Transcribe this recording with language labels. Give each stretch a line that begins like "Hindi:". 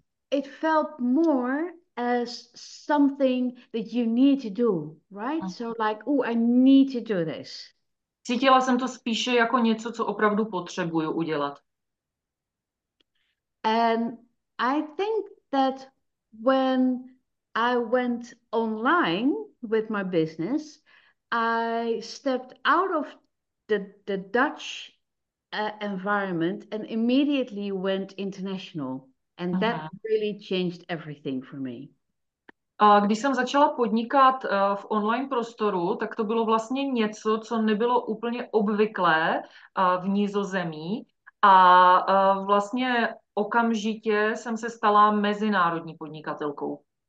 English: It felt more as something that you need to do, right? So like, oh, I need to do this.
Czech: Cítila jsem to spíše jako něco, co opravdu potřebuju udělat.
English: And I think that when I went online with my business, I stepped out of the Dutch environment and immediately went international. And that really changed everything for me.
Czech: A když jsem začala podnikat v online prostoru, tak to bylo vlastně něco, co nebylo úplně obvyklé v Nizozemí. A vlastně okamžitě jsem se stala mezinárodní podnikatelkou.